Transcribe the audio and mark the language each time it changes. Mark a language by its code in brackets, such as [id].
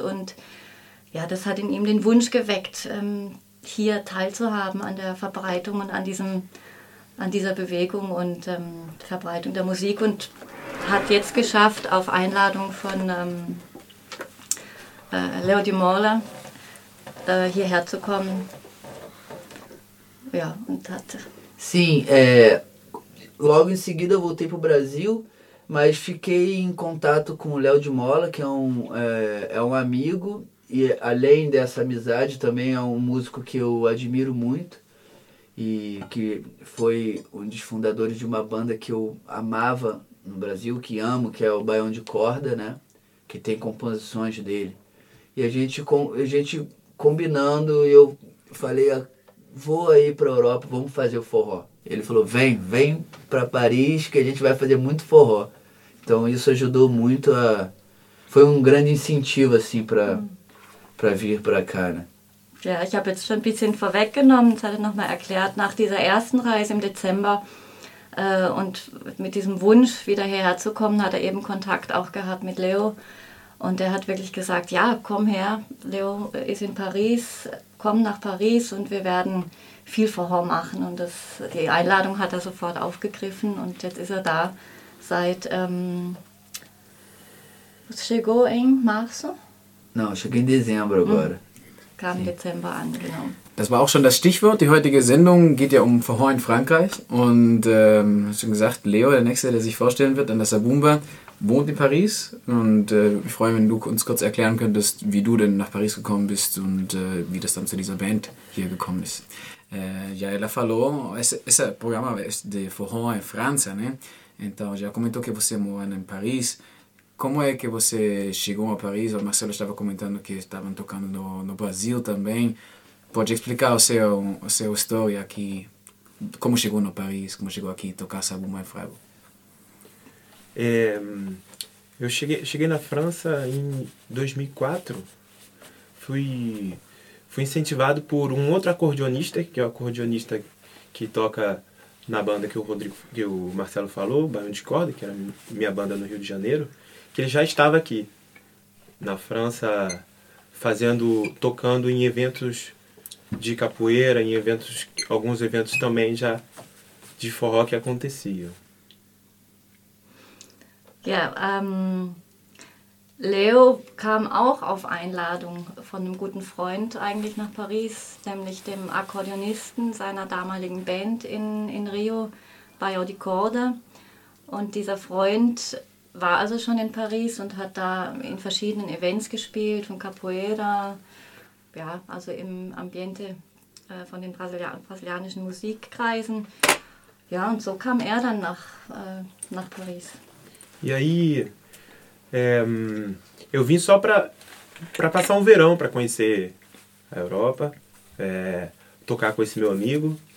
[de] Und ja, das hat in ihm den Wunsch geweckt, hier teilzuhaben an der Verbreitung und an dieser Bewegung und Verbreitung der Musik. Und hat jetzt geschafft, auf Einladung von Leo Di Mola hierher zu kommen. Ja, und hat... [pt] Sim, logo em seguida eu voltei pro Brasil, mas fiquei em contato com o Léo de Mola, que é um amigo, e além dessa amizade também é um músico que eu admiro muito, e que foi um dos fundadores de uma banda que eu amava no Brasil, que amo, que é o Baião de Corda, né, que tem composições dele. E a gente combinando, eu falei... Vou aí para a Europa, vamos fazer o forró. Ele falou, vem para Paris que a gente vai fazer muito forró. Então isso ajudou muito a... Foi um grande incentivo, assim, para vir para cá, né? [de] Ja, ich habe jetzt schon ein bisschen vorweggenommen, das hat er nochmal erklärt, nach dieser ersten Reise im Dezember und mit diesem Wunsch, wieder hierher zu kommen, hat er eben Kontakt auch gehabt mit Leo. Und er hat wirklich gesagt, ja, komm her, Leo ist in Paris, komm nach Paris und wir werden viel Fauxhawks machen. Und das, die Einladung hat er sofort aufgegriffen und jetzt ist er da seit, was [pt] chegou em março? Não, cheguei em dezembro agora. [de] Kam Dezember an, genau. Das war auch schon das Stichwort, die heutige Sendung geht ja um Fauxhawks in Frankreich. Und hast schon gesagt, Leo, der Nächste, der sich vorstellen wird, an der Sabumba, wohnt in Paris und ich freue mich, wenn du uns kurz erklären könntest, wie du denn nach Paris gekommen bist und wie das dann zu dieser Band hier gekommen ist. [pt] Jael falou, esse programa é de Fauxhawks em França, né? Então já comentou que você mora em Paris. Como é que você chegou a Paris? O Marcelo estava comentando que estavam tocando no Brasil também. Pode explicar o seu história aqui, como chegou no Paris, como chegou aqui a tocar Sabumba em Freiburg? Eu cheguei na França em 2004, fui incentivado por um outro acordeonista, que é o acordeonista que toca na banda que o Marcelo falou, Baião de Corda, que era minha banda no Rio de Janeiro, que ele já estava aqui na França tocando em eventos de capoeira, em eventos, alguns eventos também já de forró que aconteciam. [de] Ja, Leo kam auch auf Einladung von einem guten Freund eigentlich nach Paris, nämlich dem Akkordeonisten seiner damaligen Band in Rio, Baião de Corda. Und dieser Freund war also schon in Paris und hat da in verschiedenen Events gespielt, von Capoeira, ja, also im Ambiente von den brasilianischen Musikkreisen. Ja, und so kam er dann nach Paris. [pt] E aí, eu vim só para passar um verão, para conhecer a Europa, tocar com esse meu amigo.